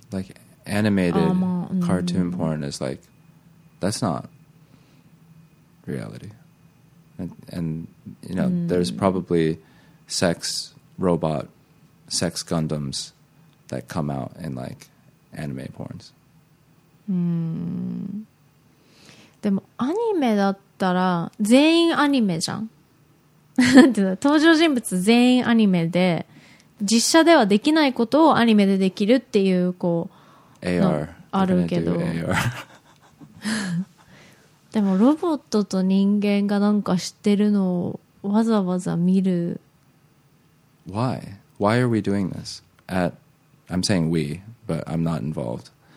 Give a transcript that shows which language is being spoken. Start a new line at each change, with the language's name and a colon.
English: Like animated cartoon porn is like that's not reality. And you know, there's probably sex robot, sex Gundams that come out in like anime porns.
Japanese: でもアニメだったら全員アニメじゃん。登場人物全員アニメで実写ではできないことをアニメでできるっていうこう AR あるけど AR でもロボットと人間がなんか知ってるのをわざわざ見る。
English: Why? Why are we doing this? At, I'm saying we, but I'm not involved.